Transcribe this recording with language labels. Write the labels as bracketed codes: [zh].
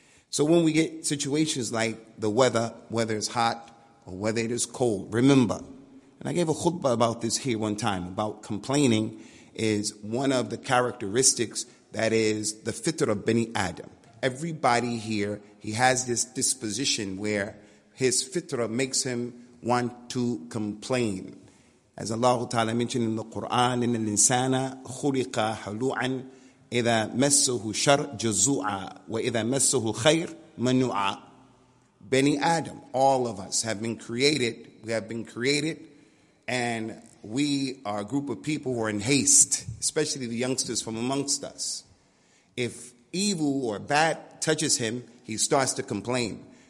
[en] So when we get situations like the weather, whether it's hot or whether it is cold, remember, and I gave a khutbah about this here one time, about complaining is one of the characteristics that is the fitr of Bani Adam. Everybody here, he has this disposition where his fitra makes him want to complain. As Allah Ta'ala mentioned in the Quran, [ar] إِنَّ الْإِنسَانَ خُلِقَ حَلُوعًا إِذَا مَسَّهُ شَرْ جَزُوعًا وَإِذَا مَسَّهُ خَيْرْ مَنُوعًا. [en] Bani Adam, all of us have been created, we have been created, and we are a group of people who are in haste, especially the youngsters from amongst us. If evil or bad touches him, he starts to complain.